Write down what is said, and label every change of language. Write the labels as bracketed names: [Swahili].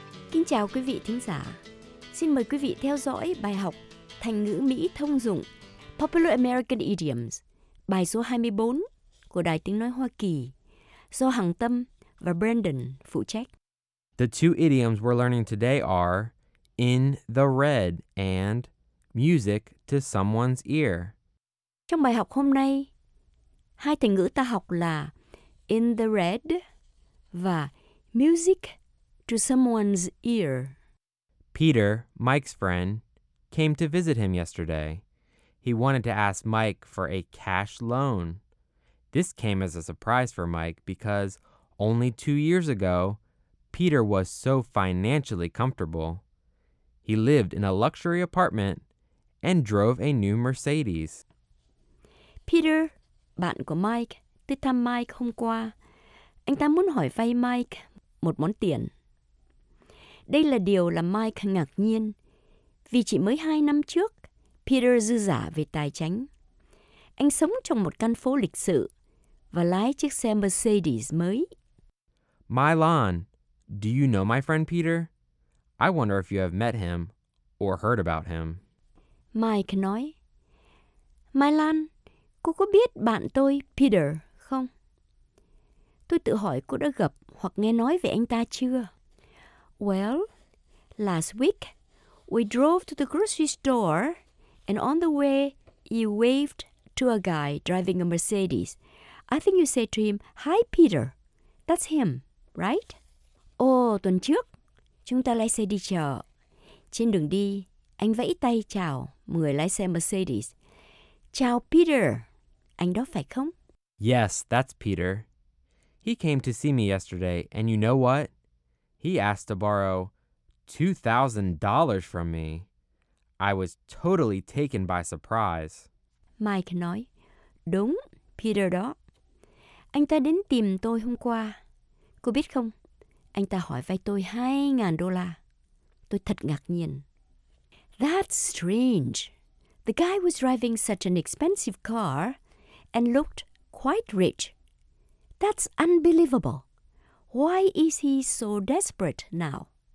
[Vietnamese] Kính chào quý vị thính giả. Xin mời quý vị theo dõi bài học thành ngữ Mỹ thông dụng Popular American Idioms, bài số 24 của Đài Tiếng Nói Hoa Kỳ, do Hằng Tâm và Brandon phụ trách. [English] The two idioms we're learning today are in the red and music to someone's ear. [Vietnamese] Trong bài học hôm nay, hai thành ngữ ta học là in the red và music to someone's ear. [English] Peter, Mike's friend, came to visit him yesterday. He wanted to ask Mike for a cash loan. This came as a surprise for Mike because only 2 years ago, Peter was so financially comfortable. He lived in a luxury apartment and drove a new Mercedes. [Vietnamese] Peter, bạn của Mike, tới thăm Mike hôm qua. Anh ta muốn hỏi vay Mike một món tiền. Đây là điều làm Mike ngạc nhiên, vì chỉ mới 2 năm trước, Peter dư giả về tài chính. Anh sống trong một căn phố lịch sự và lái chiếc xe Mercedes mới. [English] Milan, do you know my friend Peter? I wonder if you have met him or heard about him. [Vietnamese] Mike nói, Milan, cô có biết bạn tôi Peter không? Tôi tự hỏi cô đã gặp hoặc nghe nói về anh ta chưa? [English] Well, last week, we drove to the grocery store, and on the way, you waved to a guy driving a Mercedes. I think you said to him, hi, Peter. That's him, right? [Vietnamese] Oh, tuần trước, chúng ta lái xe đi chợ. Trên đường đi, anh vẫy tay chào người lái xe Mercedes. Chào, Peter. Anh đó phải không? [English] Yes, that's Peter. He came to see me yesterday, and you know what? He asked to borrow $2,000 from me. I was totally taken by surprise. [Vietnamese] Mike nói, đúng, Peter đó. Anh ta đến tìm tôi hôm qua. Cô biết không, anh ta hỏi vay tôi $2,000. Tôi thật ngạc nhiên. [English] That's strange. The guy was driving such an expensive car and looked quite rich. That's unbelievable. Why is he so desperate now?